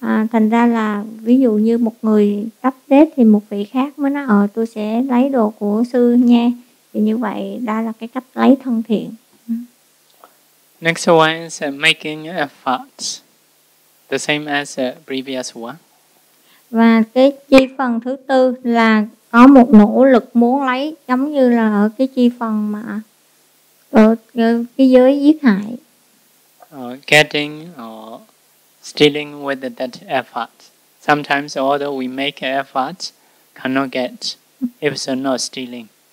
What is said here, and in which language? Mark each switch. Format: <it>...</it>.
<vi>Thành ra là ví dụ như một người sắp chết thì một vị khác mới nói tôi sẽ lấy đồ của sư nha. Thì như vậy đó là cái cách lấy thân thiện.</vi> <en>Next one is making efforts, the same as the previous one.</en> <vi>Và cái chi phần thứ tư là có một nỗ lực muốn lấy, giống như là ở cái chi phần mà ở cái giới giết hại.</vi> <en>Getting or stealing with that effort. Sometimes although we make efforts, cannot get, if so not stealing.</en>